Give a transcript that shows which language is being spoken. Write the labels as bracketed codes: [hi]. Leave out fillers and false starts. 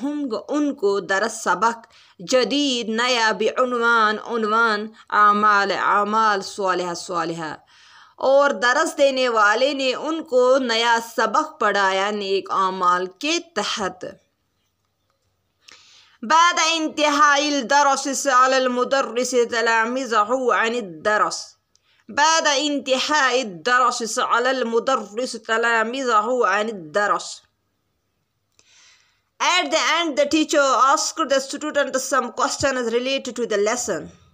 [ur] ہم ان کو درس سبق جدید نیا بعنوان اعمال صالحہ اور درس دینے والے نے ان کو نیا سبق پڑھایا نیک اعمال کے تحت. [ar] بعد انتہاء الدرس سأل المدرس تلامذہ عن الدرس بعد انتهاء الدرس سأل المدرس تلامذه عن الدرس. [en] At the end, the teacher asked the student some questions related to the lesson.